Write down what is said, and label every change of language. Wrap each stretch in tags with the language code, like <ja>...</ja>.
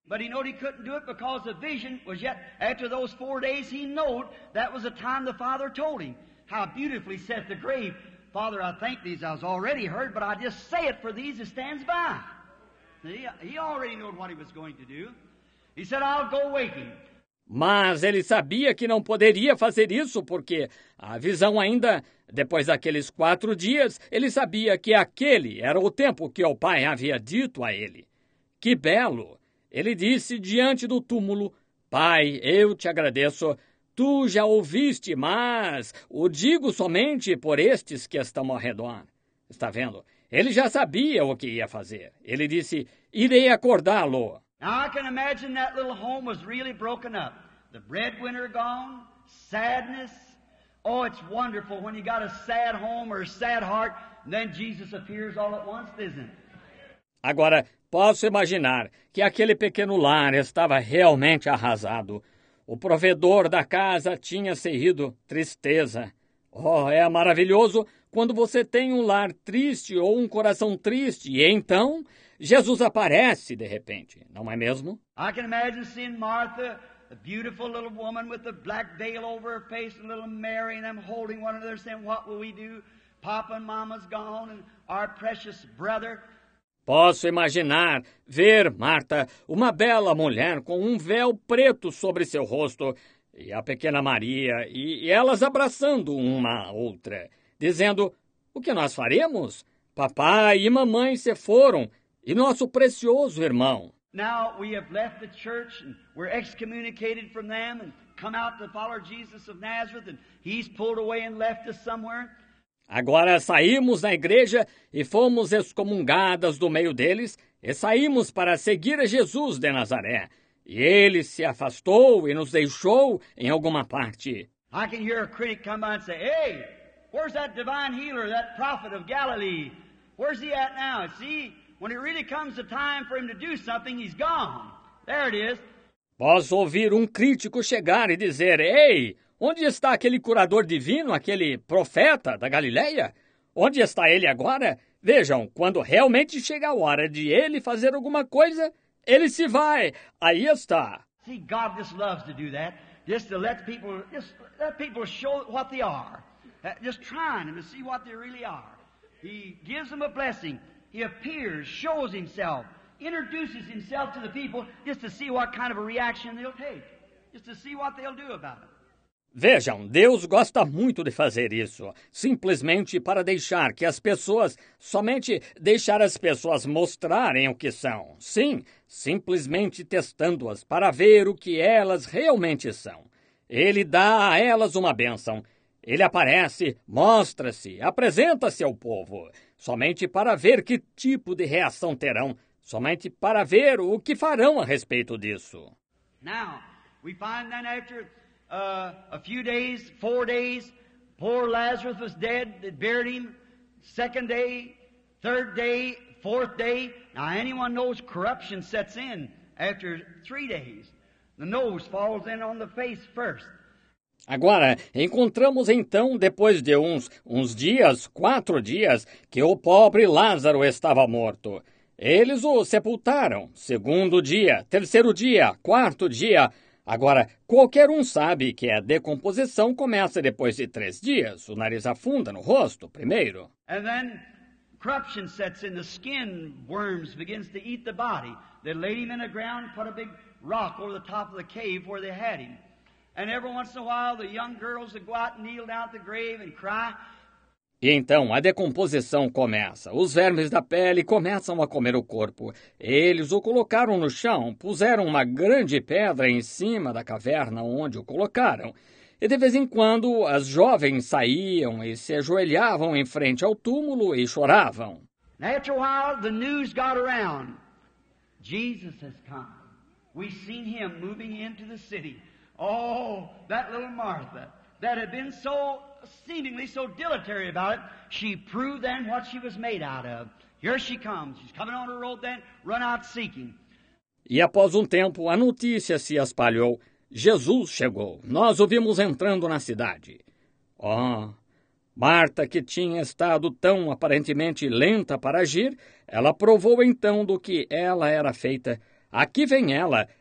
<en>But he knew he couldn't do it because the vision was yet after those 4 days he knew that was the time the Father told him. How beautifully said the grave, Father, I thank these I've already heard, but I just say it for these that stands by. He already knew what he was going to do. He said, I'll go waking.</en> <pt>Mas ele sabia que não poderia fazer isso, porque a visão ainda, depois daqueles 4 dias, ele sabia que aquele era o tempo que o Pai havia dito a ele. Que belo! Ele disse diante do túmulo, Pai, eu te agradeço, tu já ouviste, mas o digo somente por estes que estão ao redor. Está vendo? Ele já sabia o que ia fazer. Ele disse, irei acordá-lo.</pt> <en>Now I can imagine that little home was really broken up. The breadwinner gone, sadness. Oh, it's wonderful when you got a sad home or a sad heart, and then Jesus appears all at once, isn't it?</en> <pt>Agora, Posso imaginar que aquele pequeno lar estava realmente arrasado. O provedor da casa tinha sentido tristeza. Oh, é maravilhoso quando você tem um lar triste ou um coração triste, e então Jesus aparece de repente, não é mesmo?</pt> <en>I can imagine seeing Martha, a beautiful little woman with a black veil over her face, and little Mary, and them holding one another, saying, "What will we do? Papa and Mama's gone, and our precious brother."</en> <pt>Posso imaginar ver Martha, uma bela mulher com um véu preto sobre seu rosto, e a pequena Maria, e elas abraçando uma a outra, dizendo, "O que nós faremos? Papai e mamãe se foram, e nosso precioso irmão."</pt> <en>Now we have left the church and we're excommunicated from them and come out to follow Jesus of Nazareth and he's pulled away and left us somewhere.</en> <pt>Agora saímos da igreja e fomos excomungadas do meio deles e saímos para seguir a Jesus de Nazaré. E ele se afastou e nos deixou em alguma parte.</pt> <en>I can hear a critic come by and say, "Hey, where's that divine healer, that prophet of Galilee? Where's he at now? See? When it really comes the time for him to do something, he's gone. There it is."</en> <pt>Posso ouvir crítico chegar e dizer, "Ei, onde está aquele curador divino, aquele profeta da Galileia? Onde está ele agora? Vejam, quando realmente chega a hora de ele fazer alguma coisa, ele se vai. Aí está."</pt> <en>See, God just loves to do that. Just let people show what they are. Just trying them to see what they really are. He gives them a blessing. He appears, shows himself, introduces himself to the people just to see what kind of a reaction they'll take, just to see what they'll do about it.</en> <pt>Vejam, Deus gosta muito de fazer isso, simplesmente para deixar que as pessoas, somente deixar as pessoas mostrarem o que são. Sim, simplesmente testando-as para ver o que elas realmente são. Ele dá a elas uma bênção. Ele aparece, mostra-se, apresenta-se ao povo, somente para ver que tipo de reação terão, somente para ver o que farão a respeito disso.</pt> <en>Now, we find that after a few days, 4 days, poor Lazarus was dead, they buried him, second day, third day, fourth day. Now, anyone knows corruption sets in after 3 days. The nose falls in on the face first.</en> <pt>Agora, encontramos então, depois de uns dias, 4 dias, que o pobre Lázaro estava morto. Eles o sepultaram, segundo dia, terceiro dia, quarto dia. Agora, qualquer um sabe que a decomposição começa depois de 3 dias. O nariz afunda no rosto, primeiro.</pt> <en>And then, corruption sets in, the skin worms begins to eat the body. They laid him in the ground, put a big rock over the top of the cave where they had him. And every once in a while, the young girls would go out and kneel down at the grave and cry.</en> <pt>E então, a decomposição começa. Os vermes da pele começam a comer o corpo. Eles o colocaram no chão, puseram uma grande pedra em cima da caverna onde o colocaram. E de vez em quando, as jovens saíam e se ajoelhavam em frente ao túmulo e choravam.</pt> <en>And after a while, the news got around. Jesus has come. We've seen him moving into the city. Oh, that little Martha, that had been so seemingly so dilatory about it, she proved then what she was made out of. Here she comes. She's coming on her road then, run out seeking.</en> <pt>E após tempo, a notícia se espalhou. Jesus chegou. Nós o vimos entrando na cidade. Oh, Marta, que tinha estado tão aparentemente lenta para agir, ela provou então do que ela era feita. Aqui vem ela.</pt>